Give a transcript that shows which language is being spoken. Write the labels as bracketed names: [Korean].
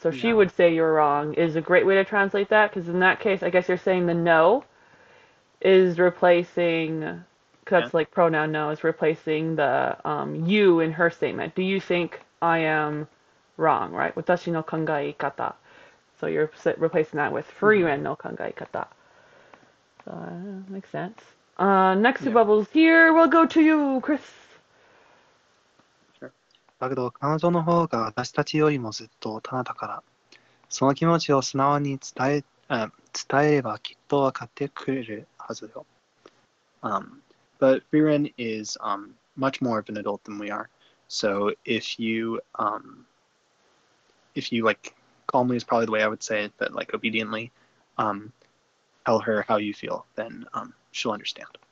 [English] So she would say you're wrong is a great way to translate that, because in that case, I guess you're saying the no is replacing, because that's like pronoun no, is replacing the you in her statement. Do you think I am wrong, right? [Japanese] 私の考え方. [English] So you're replacing that with Frieren no kangai kata. Makes sense. Next two bubbles here, we'll go to you, Chris. [Japanese] だけど彼女の方が私たちよりもずっと大人だから、その気持ちを素直に伝えればきっと分かってくれるはずよ。 [English] But Frieren is much more of an adult than we are. So if you like calmly is probably the way I would say it, but like obediently, tell her how you feel, then she'll understand.